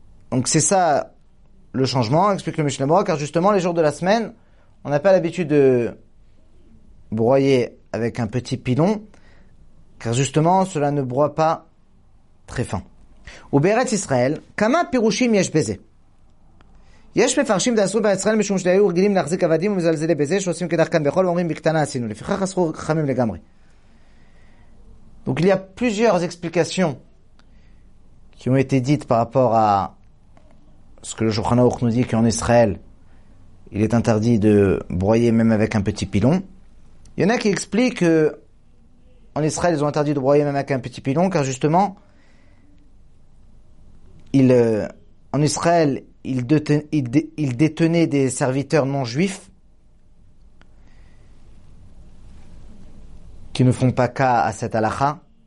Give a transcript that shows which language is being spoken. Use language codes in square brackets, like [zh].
[fr] Donc c'est ça le changement, explique le Mishnah Berurah, car justement les jours de la semaine, on n'a pas l'habitude de broyer avec un petit pilon, car justement cela ne broie pas très fin. [he] Ou Beretz Israël, kama pirushim yesh beze. יש מפרשים דאסרו בישראל משום שהיו רגילים להחזיק עבדים ומזלזלי בזה שעושים כדרך כאן בכל ואומרים בקטנה עשינו. לפיכך אסרו חכמים לגמרי. [fr] Donc il y a plusieurs explications qui ont été dites par rapport à ce que le Shulchan Aruch nous dit qu'en Israël il est interdit de broyer même avec un petit pilon. Il y en a qui expliquent qu'en Israël ils ont interdit de broyer même avec un petit pilon car justement en Israël il détenait des serviteurs non juifs qui ne font pas cas à cette halakha.